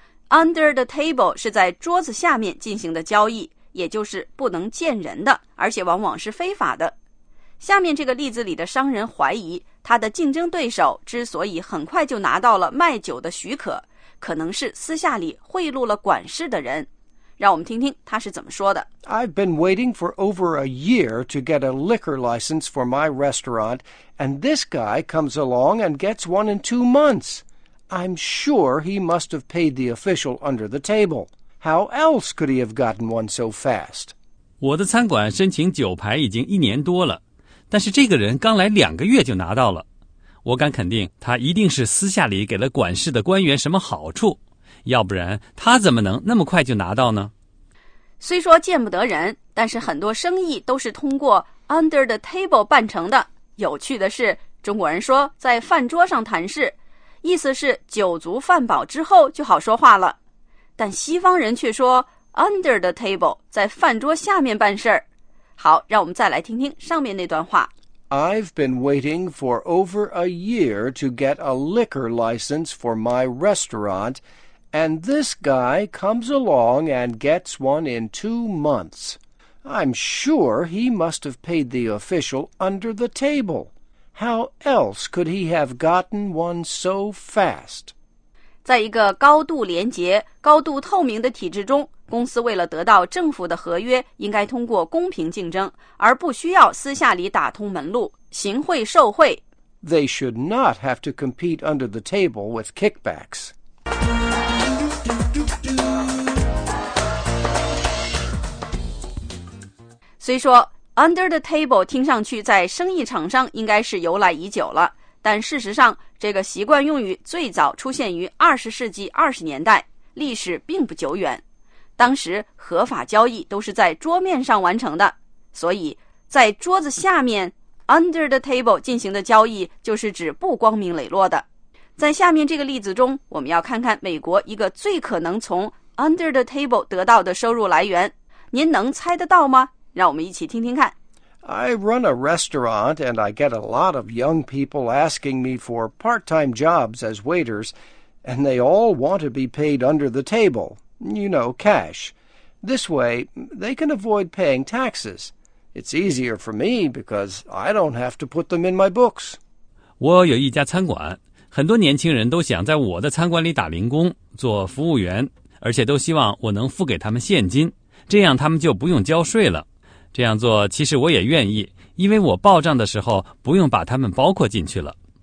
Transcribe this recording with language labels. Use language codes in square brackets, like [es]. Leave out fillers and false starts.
[zh] Under the table 是在桌子下面进行的交易，也就是不能见人的，而且往往是非法的。下面这个例子里的商人怀疑，他的竞争对手之所以很快就拿到了卖酒的许可，可能是私下里贿赂了管事的人。让我们听听他是怎么说的。 [en] I've been waiting for over a year to get a liquor license for my restaurant, and this guy comes along and gets one in 2 months. I'm sure he must have paid the official under the table. How else could he have gotten one so fast? [zh] 我的餐馆申请酒牌已经一年多了，但是这个人刚来两个月就拿到了。我敢肯定他一定是私下里给了管事的官员什么好处。要不然他怎么能那么快就拿到呢？虽说见不得人，但是很多生意都是通过 under the table 办成的。有趣的是，中国人说在饭桌上谈事，意思是酒足饭饱之后就好说话了。但西方人却说 under the table, 在饭桌下面办事儿。好，让我们再来听听上面那段话。 [en] I've been waiting for over a year to get a liquor license for my restaurant, and this guy comes along and gets one in 2 months. I'm sure he must have paid the official under the table. How else could he have gotten one so fast? [zh] 在一个高度廉洁、高度透明的体制中，公司为了得到政府的合约，应该通过公平竞争，而不需要私下里打通门路，行贿受贿。 [en] They should not have to compete under the table with kickbacks. [zh] 虽说 under the table 听上去在生意场上应该是由来已久了，但事实上这个习惯用语最早出现于20世纪20年代，历史并不久远。当时合法交易都是在桌面上完成的，所以在桌子下面 under the table 进行的交易就是指不光明磊落的。在下面这个例子中，我们要看看美国一个最可能从 under the table 得到的收入来源，您能猜得到吗？让我们一起听听看。 [en] I run a restaurant and I get a lot of young people asking me for part-time jobs as waiters, and they all want to be paid under the table, you know, cash. This way, they can avoid paying taxes. It's easier for me because I don't have to put them in my books. [zh] 我有一家餐馆，很多年轻人都想在我的餐馆里打零工，做服务员，而且都希望我能付给他们现金，这样他们就不用交税了。这样做其实我也愿意，因为我报账的时候不用把他们包括进去了。